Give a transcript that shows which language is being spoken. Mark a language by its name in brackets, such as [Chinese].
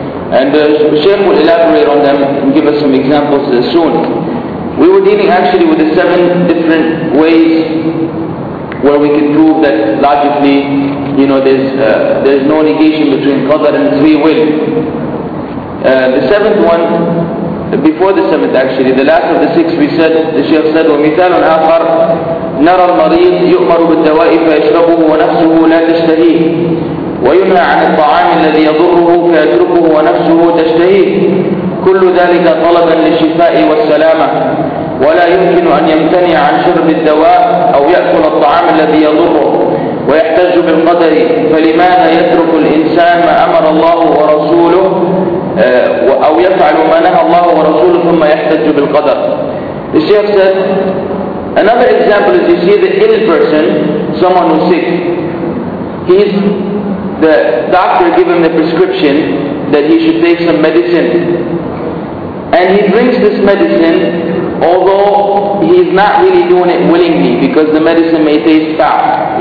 [English] And the Shaykh will elaborate on them and give us some examples soon. We were dealing actually with the seven different ways where we can prove that logically, you know, there's no negation between Qadr and free will. The seventh one, before the seventh actually, the last of the six, we said, the Shaykh said, [Arabic] وَمِثَالٌ آخَرٌ نَرَى الْمَرِيضُ يُؤْمَرُ بِالدَّوَاءِ فَيَشْرَبُهُ وَنَفْسُهُ لَا تَشْتَهِيهِ وينهى عن الطعام الذي يضره فيتركه ونفسه تشتهيه كل ذلك طلبا للشفاء والسلامه ولا يمكن ان يمتنع عن شرب الدواء او ياكل الطعام الذي يضره ويحتج بالقدر فلماذا يترك الانسان ما امر الله ورسوله او يفعل ما نهى الله ورسوله ثم يحتج بالقدر. [English] الشيخ said, another example is, you see the ill person, someone who's sick, he's the doctor gave him the prescription that he should take some medicine, and he drinks this medicine although he's not really doing it willingly, because the medicine may taste foul.